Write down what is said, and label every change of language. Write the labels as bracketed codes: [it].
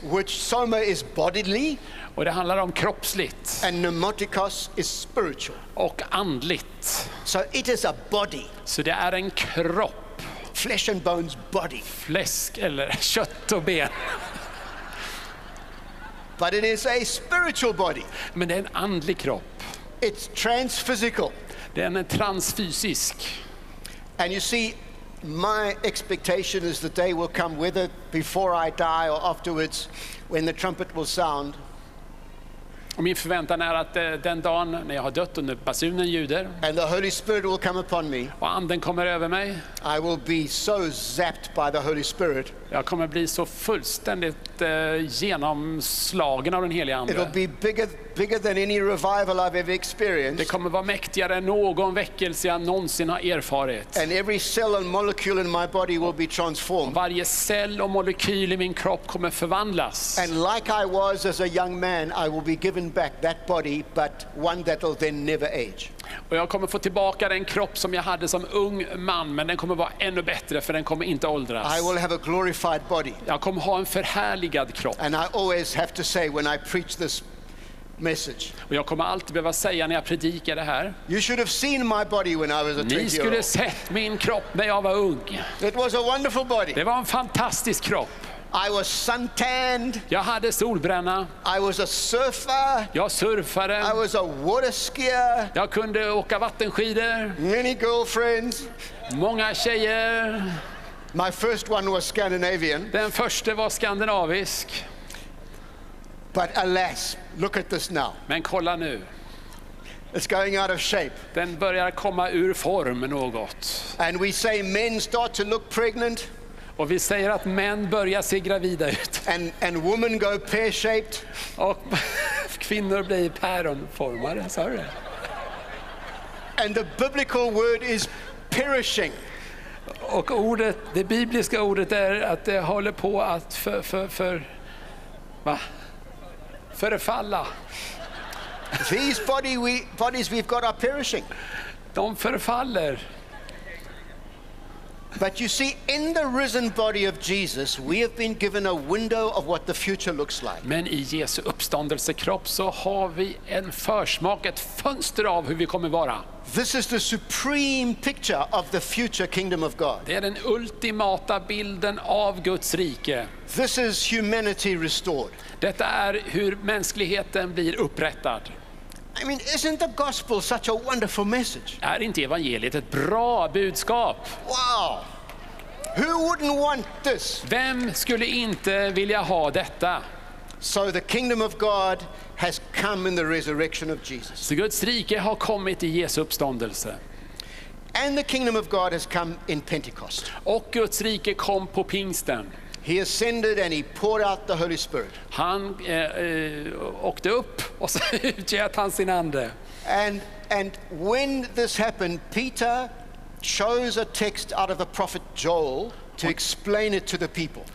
[en] Which soma is bodily. [sv] Och det handlar om kroppsligt. [en] And pneumatikos is spiritual. [sv] Och andligt. [en] So it is a body. [sv] Så det är en kropp. [en] Flesh and bones body. [sv] Fläsk eller kött och ben. [en] But it is a spiritual body. [sv] Men det är en andlig kropp. [en] It's transphysical. [sv] Den är transfysisk. [en] And you see, my expectation is the day will come, whether before I die or afterwards, when the trumpet will sound. [sv] Och min förväntan är att den dagen när jag har dött och när basunen ljuder, [en] and the Holy Spirit will come upon me, [sv] och anden kommer över mig, [en] I will be so zapped by the Holy Spirit. [sv] Jag kommer bli så fullständigt genomslagen av den heliga anden. [en] It will be bigger than any revival I've ever experienced. [sv] Det kommer vara mäktigare än någon väckelse jag någonsin har erfarit. [en] And every cell and molecule in my body will be transformed. [sv] Varje cell och molekyl i min kropp kommer förvandlas. [en] And like I was as a young man, I will be given back that body, but one that will then never age. [sv] Och jag kommer få tillbaka den kropp som jag hade som ung man, men den kommer vara ännu bättre, för den kommer inte åldras. [en] I will have a glorified body. [sv] Jag kommer ha en förhärligad kropp. [en] And I always have to say when I preach this message. [sv] Och jag kommer alltid behöva säga när jag predikar det här. [en] You should have seen my body when I was a 20-year-old. [sv] Ni skulle sett min kropp när jag var ung. [en] It was a wonderful body. [sv] Det var en fantastisk kropp. [en] I was suntanned. [sv] Jag hade solbränna. [en] I was a surfer. [sv] Jag surfade. [en] I was a water skier. [sv] Jag kunde åka vattenskidor. [en] Many girlfriends. [sv] Många tjejer. [en] My first one was Scandinavian. [sv] Den första var skandinavisk. [en] But alas, look at this now. [sv] Men kolla nu. [en] It's going out of shape. [sv] Den börjar komma ur form något. [en] And we say men start to look pregnant. [sv] Och vi säger att män börjar se gravida ut. [en] And women go pear-shaped. [sv] Och kvinnor blir päronformade, sa du. [en] And the biblical word is perishing. [sv] Och ordet, det bibliska ordet är att det håller på att förfalla. [en] These bodies we've got are perishing. [sv] De förfaller. [en] But you see, in the risen body of Jesus, we have been given a window of what the future looks like. [sv] Men i Jesu uppståndelsekropp så har vi en försmak, ett fönster av hur vi kommer vara. [en] This is the supreme picture of the future kingdom of God. [sv] Det är den ultimata bilden av Guds rike. [en] This is humanity restored. [sv] Detta är hur mänskligheten blir upprättad. [en] I mean, isn't the gospel such a wonderful message? [sv] Är inte evangeliet ett bra budskap? [en] Wow! Who wouldn't want this? [sv] Vem skulle inte vilja ha detta? [en] So the kingdom of God has come in the resurrection of Jesus. [sv] Så Guds rike har kommit i Jesu uppståndelse. [en] And the kingdom of God has come in Pentecost. [sv] Och Guds rike kom på pingsten. [en] He ascended and he poured out the Holy Spirit. [sv] Han åkte upp och så utgjöt han sin ande. [en] And when this happened, Peter chose a text out of the prophet Joel to explain it to the people.